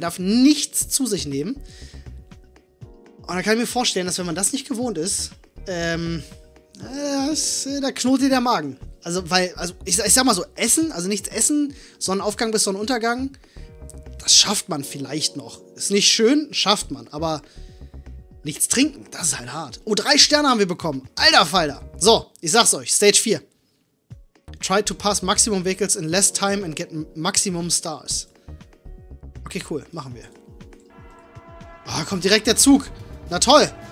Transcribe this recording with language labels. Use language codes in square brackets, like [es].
[de] Er darf nichts zu sich nehmen. Und da kann ich mir vorstellen, dass wenn man das nicht gewohnt ist, da knurrt der Magen. Also, weil, also ich sag mal so, essen, also nichts essen, Sonnenaufgang bis Sonnenuntergang, das schafft man vielleicht noch. Ist nicht schön, schafft man, aber nichts trinken, das ist halt hart. Oh, 3 Sterne haben wir bekommen, alter Falter. So, ich sag's euch, Stage 4. [en] Try to pass maximum vehicles in less time and get maximum stars. [de] Okay, cool, machen wir. Ah, oh, kommt direkt der Zug. Na toll.